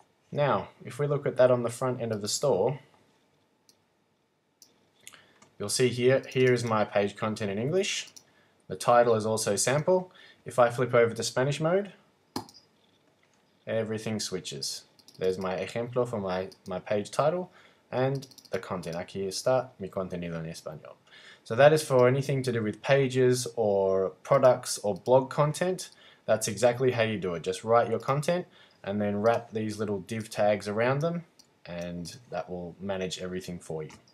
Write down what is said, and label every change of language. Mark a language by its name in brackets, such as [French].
[English] Now, if we look at that on the front end of the store, you'll see here is my page content in English. The title is also sample. If I flip over to Spanish mode, everything switches. There's my ejemplo for my page title and the content. [Spanish] Aquí está mi contenido en español. [English] So that is for anything to do with pages or products or blog content. That's exactly how you do it. Just write your content and then wrap these little div tags around them, and that will manage everything for you.